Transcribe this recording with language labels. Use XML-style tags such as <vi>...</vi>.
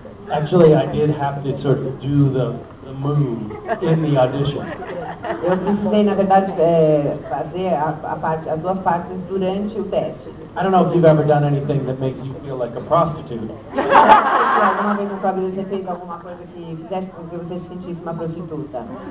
<en>Actually, I did have to sort of do the move in the audition.</en> <pt>Eu precisei, na verdade, fazer as duas partes durante o teste.</pt> <en>I don't know if you've ever done anything that makes you feel like a prostitute.</en> <pt>Alguma vez na sua vida você fez alguma coisa que fizesse com que você se sentisse uma prostituta?</pt>